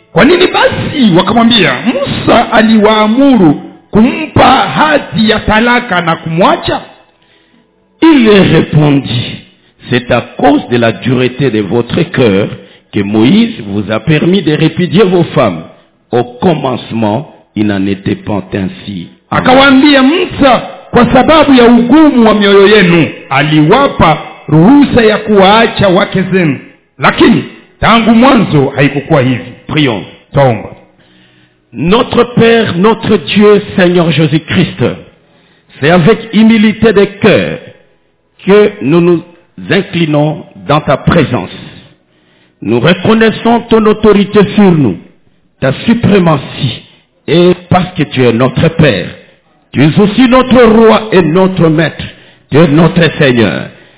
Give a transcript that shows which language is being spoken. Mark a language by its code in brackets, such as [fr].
[sw] Kwa nini basi wakamwambia, Musa aliwaamuru kumpa hati ya talaka na kumwacha? [fr] Il répondit, c'est à cause de la dureté de votre cœur que Moïse vous a permis de répudier vos femmes. Au commencement, il n'en était pas ainsi. [sw] Akawaambia Musa, kwa sababu ya ugumu wa mioyo yenu, aliwapa ruhusa ya kuwaacha wake zenu. Lakini tangu mwanzo haikukua hivi. [fr] Prions. [sw] Tomba. [fr] Notre Père, notre Dieu, Seigneur Jésus-Christ, c'est avec humilité de cœur que nous nous inclinons dans ta présence. Nous reconnaissons ton autorité sur nous, ta suprématie, et parce que tu es notre Père, tu es aussi notre Roi et notre Maître, tu es notre Seigneur.